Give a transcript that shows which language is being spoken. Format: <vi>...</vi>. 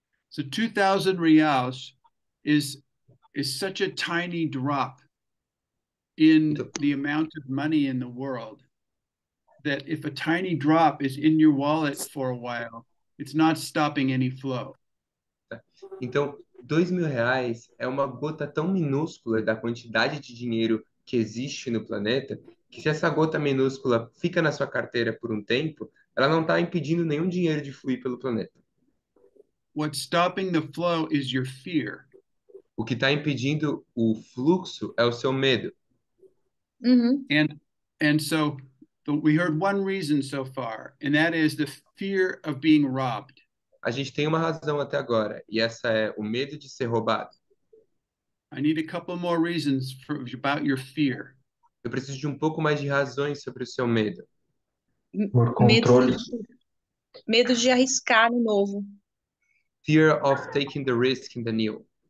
<en>So 2,000 reais is such a tiny drop in the amount of money in the world that if a tiny drop is in your wallet for a while, it's not stopping any flow.</en> <pt>Então, 2.000 reais é uma gota tão minúscula da quantidade de dinheiro que existe no planeta que se essa gota minúscula fica na sua carteira por um tempo, ela não está impedindo nenhum dinheiro de fluir pelo planeta.</pt> <en>What's stopping the flow is your fear.</en> <pt>O que está impedindo o fluxo é o seu medo. Mm-hmm.</pt> <en>And so we heard one reason so far, and that is the fear of being robbed.</en> <pt>A gente tem uma razão até agora, e essa é o medo de ser roubado.</pt> <en>I need a couple more reasons about your fear.</en> <pt>Eu preciso de um pouco mais de razões sobre o seu medo. Por controle. Medo de arriscar no novo.</pt> <en>Fear of taking the risk in the new.</en>